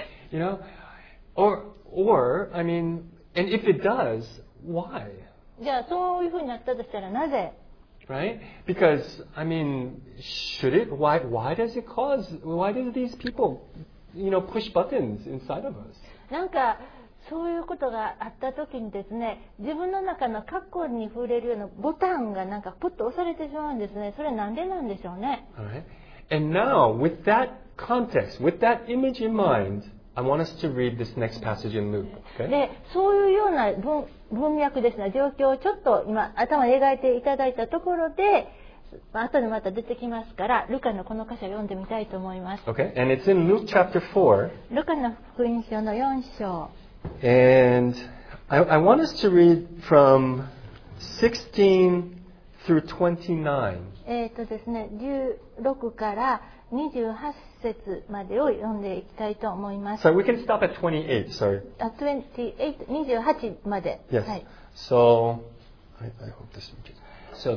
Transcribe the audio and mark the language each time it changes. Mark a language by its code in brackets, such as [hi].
[en] You know, or, I mean,And if it does, why? [ja] じゃあそういうふうになったとしたらなぜ? [en] Right? Because, I mean, should it? Why does it cause? Why do these people, you know, push buttons inside of us? [ja] なんかそういうことがあったときにですね、自分の中の過去に触れるようなボタンがなんかポッと押されてしまうんですね。それなんでなんでしょうね。 [en] All right. And now, with that context, with that image in mind,I want us to read this next passage in Luke. Okay? [ja] で、そういうような文脈ですね、状況をちょっと今頭に描いていただいたところで、後でまた出てきますから、ルカのこの箇所を読んでみたいと思います。 [en] Okay, and it's in Luke chapter 4. [ja] ルカの福音書の4章。 [en] And I want us to read from 16 through 29. [ja] ですね、16から28節までを読んでいきたいと思います。 [en] So we can stop at 28, sorry. [ja] 28まで。 [en] Yes.、 [ja] はい、 [en] so, I hope this makes sense.